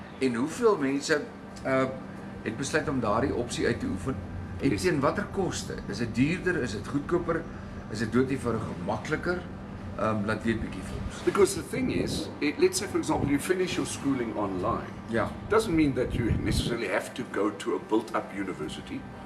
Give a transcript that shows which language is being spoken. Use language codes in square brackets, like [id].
[af] En hoeveel mense het besluit om daardie opsie uit te oefen? En teen watter koste? Is dit duurder? Is dit goedkoper? Is dit doodnie vir 'n gemakliker? Laat dit bietjie vir ons. [en] Because the thing is, let's say for example you finish your schooling online. Yeah. Doesn't mean that you necessarily have to go to a built-up university.